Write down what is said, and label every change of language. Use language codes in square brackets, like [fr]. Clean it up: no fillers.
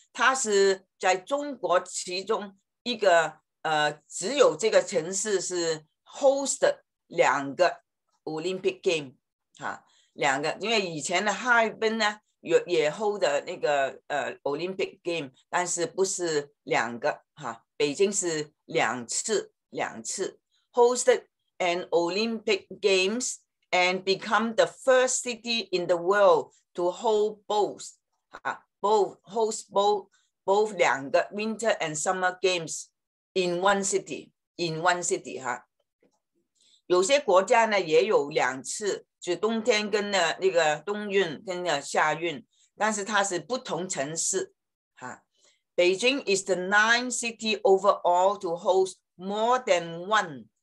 [zh] 它是在中国其中一个只有这个城市是 host 两个 Olympic game 哈、啊，两个，因为以前的哈尔滨呢也 hold 的那个Olympic game， 但是不是两个哈、啊，北京是两次 host。 [en] And Olympic Games and become the first city in the world to hold both 两个 Winter and Summer Games in one city 哈。 [zh] 有些国家呢也有两次，就冬天跟那个冬运跟那夏运，但是它是不同城市哈。 [en] Beijing is the 9th city overall to host more than one.